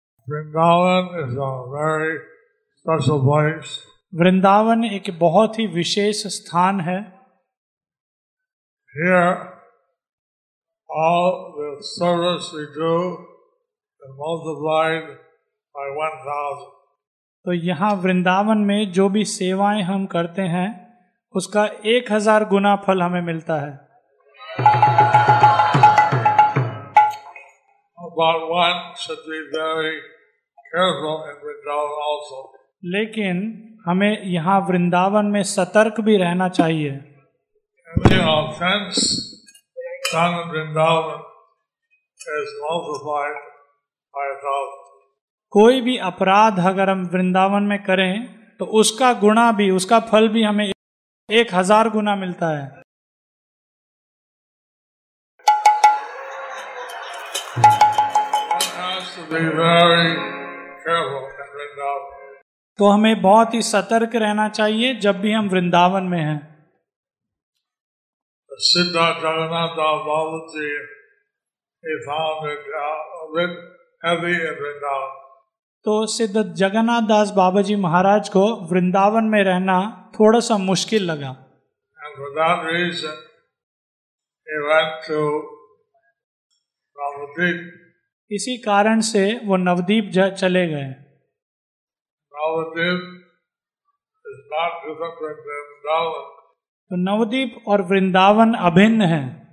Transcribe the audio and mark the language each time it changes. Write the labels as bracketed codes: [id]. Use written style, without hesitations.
[en] Vrindavan is a very special place. [hi] Vrindavan एक बहुत ही विशेष स्थान है. [en] Here, all the service we do is multiplied by 1,000. [hi] तो यहाँ वृंदावन में जो भी सेवाएं हम करते हैं उसका 1,000 गुना फल हमें मिलता है. [en] But one should be very careful in Vrindavan also. [hi] लेकिन हमें यहाँ वृंदावन में सतर्क भी रहना चाहिए. [en] Any offense done in Vrindavan is multiplied by 1,000. [hi] कोई भी अपराध अगर हम वृंदावन में करें तो उसका गुणा भी, उसका फल भी हमें 1,000 गुना मिलता है. [en] One has to be very careful in Vrindavan. [hi] तो हमें बहुत ही सतर्क रहना चाहिए जब भी हम वृंदावन में हैं. [en] Siddhartha Jagannatha Babaji, he found it a bit heavy in Vrindavan. [hi] तो सिद्धार्थ जगन्नाथ दास बाबा जी महाराज को वृंदावन में रहना थोड़ा सा मुश्किल लगा. [en] And for that reason, he went to Navadvip. [hi] इसी कारण से वो नवदीप चले गए. [en] Navadvip is not different from Vrindavan. [hi] तो नवदीप और वृंदावन अभिन्न है.